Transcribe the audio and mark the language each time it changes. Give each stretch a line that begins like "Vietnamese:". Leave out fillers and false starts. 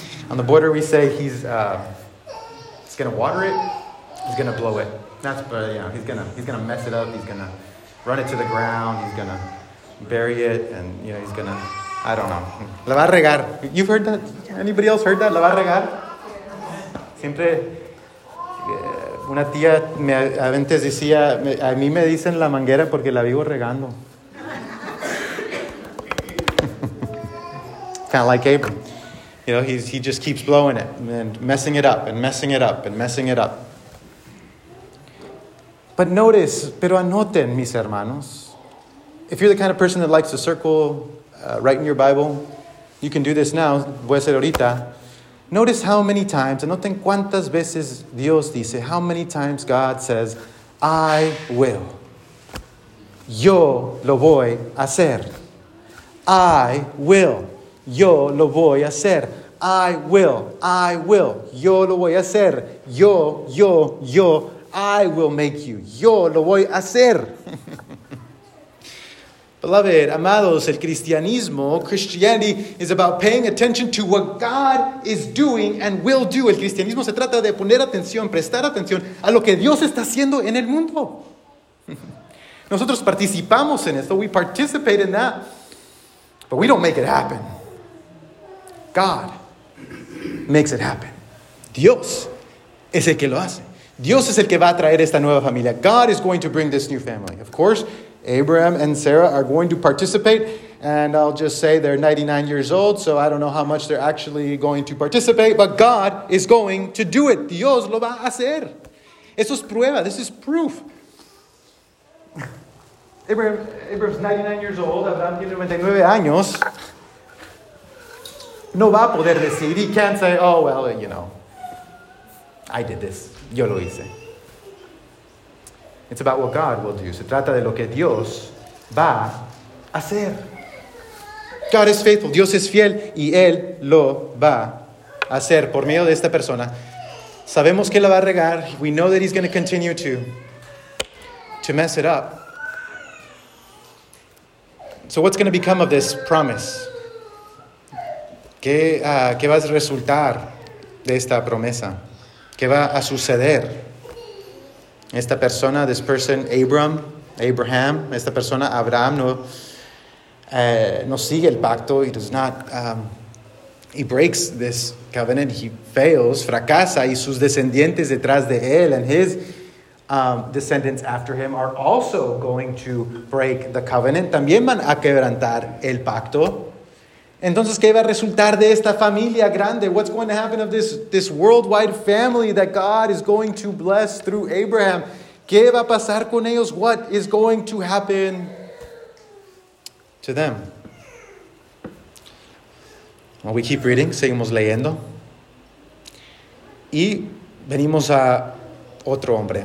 English: On the border, we say he's going to water it, he's going to blow it. That's, but you know, he's going to mess it up, he's going to run it to the ground, he's going to bury it, and you know, he's going to, I don't know.
Spanish: La va a regar.
English: You've heard that? Anybody else heard that?
Spanish: La va a regar? Siempre, una tía me antes decía, a mí me dicen la manguera porque la vivo regando.
English: Kind of like Abram. You know, he just keeps blowing it and messing it up and messing it up and messing it up. But notice,
Spanish: pero anoten, mis hermanos.
English: If you're the kind of person that likes to circle, write in your Bible, you can do this now.
Spanish: Voy a hacer ahorita.
English: Notice how many times,
Spanish: anoten cuántas veces Dios dice,
English: how many times God says, I will.
Spanish: Yo lo voy a hacer.
English: I will.
Spanish: Yo lo voy a hacer.
English: I will. I will.
Spanish: Yo lo voy a hacer. Yo, yo, yo.
English: I will make you.
Spanish: Yo lo voy a hacer.
English: Beloved,
Spanish: amados, el cristianismo,
English: Christianity, is about paying attention to what God is doing and will do.
Spanish: El cristianismo se trata de poner atención, prestar atención a lo que Dios está haciendo en el mundo. Nosotros participamos en esto.
English: We participate in that. But we don't make it happen. God makes it happen.
Spanish: Dios es el que lo hace. Dios es el que va a traer esta nueva familia.
English: God is going to bring this new family. Of course, Abraham and Sarah are going to participate. And I'll just say they're 99 years old, so I don't know how much they're actually going to participate. But God is going to do it.
Spanish: Dios lo va a hacer. Eso es prueba.
English: This is proof. Abraham's 99 years old.
Spanish: Abraham tiene 99 años. No va a poder decir.
English: He can't say, oh, well, you know, I did this.
Spanish: Yo lo hice.
English: It's about what God will do.
Spanish: Se trata de lo que Dios va a hacer.
English: God is faithful.
Spanish: Dios es fiel. Y Él lo va a hacer por medio de esta persona. Sabemos que la va a regar.
English: We know that he's going to continue to mess it up. So what's going to become of this promise?
Spanish: ¿Qué va a resultar de esta promesa? ¿Qué va a suceder? Esta persona,
English: this person,
Spanish: Abraham, esta persona, Abraham, no sigue el pacto.
English: He does not, he breaks this covenant. He fails,
Spanish: fracasa, y sus descendientes detrás de él,
English: and his descendants after him are also going to break the covenant.
Spanish: También van a quebrantar el pacto. Entonces, ¿qué va a resultar de esta familia grande?
English: What's going to happen of this worldwide family that God is going to bless through Abraham?
Spanish: ¿Qué va a pasar con ellos?
English: What is going to happen to them? Well, we keep reading,
Spanish: seguimos leyendo. Y venimos a otro hombre.